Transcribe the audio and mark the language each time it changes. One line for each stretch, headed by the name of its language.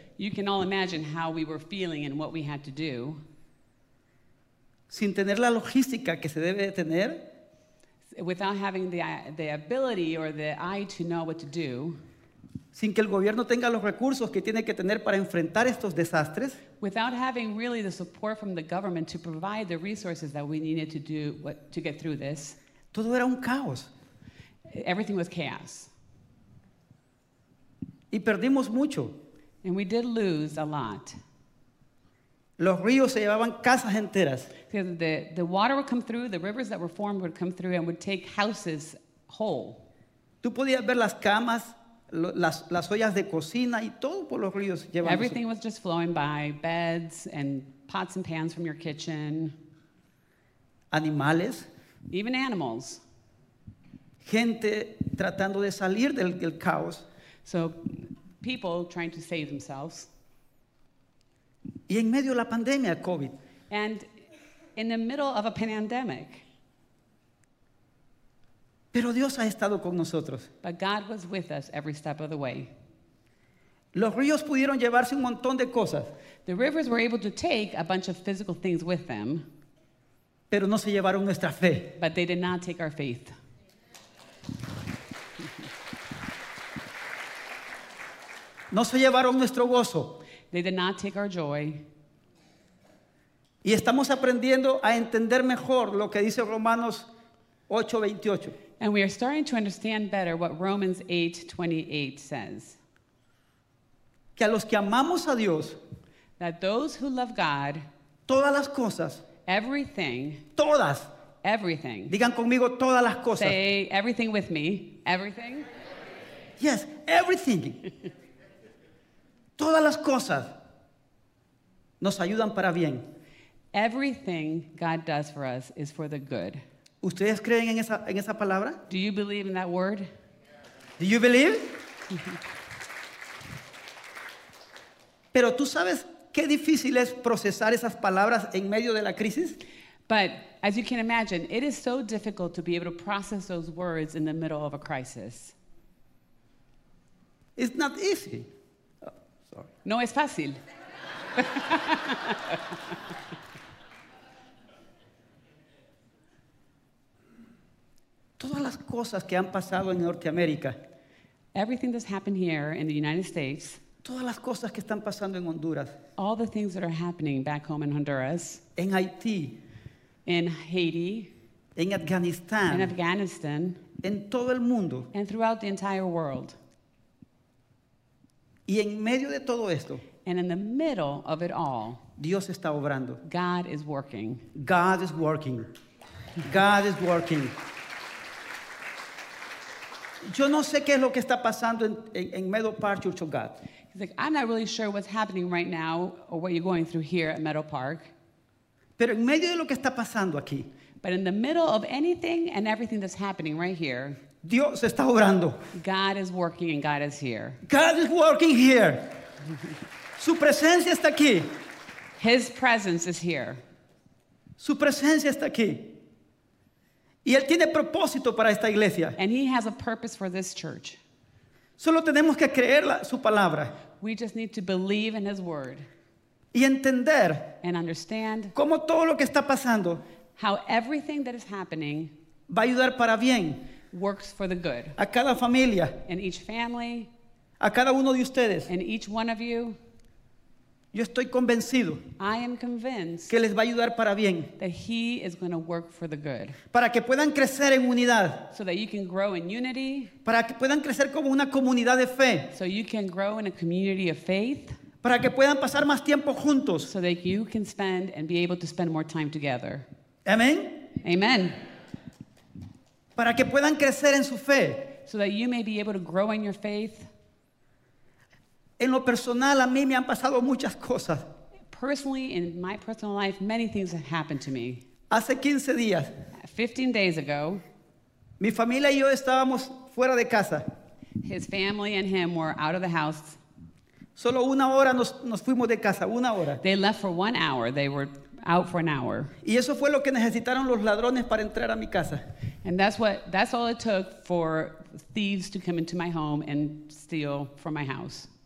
English: You can all imagine how we were feeling and what we had to do.
Spanish: Sin tener la logística que se debe de tener.
English: Without having the ability or the eye to know what to do.
Spanish: Sin que el gobierno tenga los recursos que tiene que tener para enfrentar estos desastres.
English: Without having really the support from the government to provide the resources that we needed to do what, to get through this.
Spanish: Todo era un caos.
English: Everything was chaos.
Spanish: Y perdimos mucho.
English: And we did lose a lot.
Spanish: Los ríos se llevaban casas enteras.
English: The water would come through, the rivers that were formed would come through and would take houses whole.
Spanish: Tú podías ver las camas, las ollas de cocina y todo por los ríos llevándose.
English: Everything was just flowing by, beds and pots and pans from your kitchen.
Spanish: Animales.
English: Even animals.
Spanish: Gente tratando de salir del caos.
English: So people trying to save themselves.
Spanish: Y en medio de la pandemia, COVID.
English: And in the middle of a pandemic.
Spanish: Pero Dios ha estado con nosotros.
English: But God was with us every step of the way.
Spanish: Los ríos pudieron llevarse un montón de cosas.
English: The rivers were able to take a bunch of physical things with them.
Spanish: Pero no se llevaron nuestra fe.
English: But they did not take our faith.
Spanish: No se llevaron nuestro gozo.
English: They did not take our joy.
Spanish: Y estamos aprendiendo a entender mejor lo que dice Romanos 8:28.
English: And we are starting to understand better what Romans 8:28 says.
Spanish: Que a los que amamos a Dios,
English: that those who love God,
Spanish: todas las cosas,
English: everything,
Spanish: todas,
English: everything,
Spanish: digan conmigo todas las cosas,
English: say everything with me, everything, yes, everything,
Spanish: todas las cosas nos ayudan para bien.
English: Everything God does for us is for the good.
Spanish: ¿Ustedes creen en esa palabra?
English: Do you believe in that word? Do you believe?
Spanish: Pero tú sabes qué difícil es procesar esas palabras en medio de la crisis.
English: But as you can imagine, it is so difficult to be able to process those words in the middle of a crisis. It's not easy.
Spanish: No es fácil. Todas las cosas que han pasado en Norteamérica.
English: Everything that's happened here in the United States.
Spanish: Todas las cosas que están pasando en Honduras.
English: All the things that are happening back home in Honduras.
Spanish: En Haití.
English: In Haiti.
Spanish: En Afganistán.
English: In Afghanistan.
Spanish: En todo el mundo.
English: And throughout the entire world.
Spanish: Y en medio de todo esto,
English: and in the middle of it all,
Spanish: Dios está obrando.
English: God is working. God is working. God is working.
Spanish: Yo no sé qué es lo que está pasando en Meadow Park, Church of God.
English: He's like, I'm not really sure what's happening right now or what you're going through here at Meadow Park.
Spanish: Pero en medio de lo que está pasando aquí,
English: but in the middle of anything and everything that's happening right here,
Spanish: Dios está obrando.
English: God is working and God is here. God is working here.
Spanish: Su presencia está aquí.
English: His presence is here.
Spanish: Su presencia está aquí. Y él tiene propósito para esta iglesia.
English: And he has a purpose for this church.
Spanish: Solo tenemos que creer su palabra.
English: We just need to believe in his word.
Spanish: Y entender
English: and understand
Spanish: cómo todo lo que está pasando
English: how everything that is happening
Spanish: va a ayudar para bien
English: works for the good.
Spanish: A cada familia.
English: In each family.
Spanish: A cada uno de ustedes.
English: In each one of you.
Spanish: Yo estoy convencido
English: I am convinced
Spanish: que les va a ayudar para bien.
English: That he is going to work for the good.
Spanish: Para que puedan crecer en unidad.
English: So that you can grow in unity.
Spanish: Para que puedan crecer como una comunidad de fe.
English: So you can grow in a community of faith.
Spanish: Para que puedan pasar más tiempo juntos.
English: So that you can spend and be able to spend more time together. Amen. Amen.
Spanish: Para que puedan crecer en su fe.
English: So that you may be able to grow in your faith.
Spanish: En lo personal, a mí me han pasado muchas cosas.
English: Personally, in my personal life, many things have happened to me.
Spanish: Hace 15 días.
English: 15 days ago.
Spanish: Mi familia y yo estábamos fuera de casa.
English: His family and him were out of the house.
Spanish: Solo una hora nos fuimos de casa, una hora.
English: They left for 1 hour. They were out for an hour.
Spanish: Y eso fue lo que necesitaron los ladrones para entrar a mi casa.
English: And that's all it took for thieves to come into my home and steal from my house.